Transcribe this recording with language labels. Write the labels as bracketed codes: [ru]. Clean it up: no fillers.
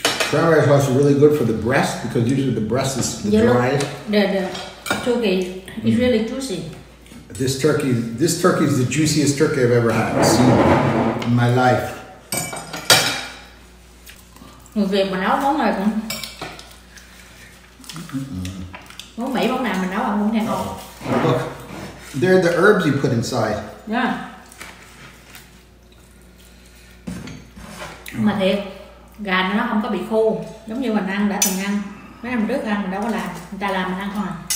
[en] Cranberry sauce is really good for the breast because usually the breast is the driest. The turkey is really juicy. This turkey is the juiciest turkey I've ever had seen in my life. [vi] Người Việt mình nấu món này cũng món Mỹ món nào mình nấu ăn cũng thấy ngon. [en] Look, they're the herbs you put inside. Yeah. [vi] Mà thiệt, gà nó không có bị khô, giống như mình ăn đã từng ăn mấy năm trước ăn mình đâu có làm, người ta làm mình ăn không à?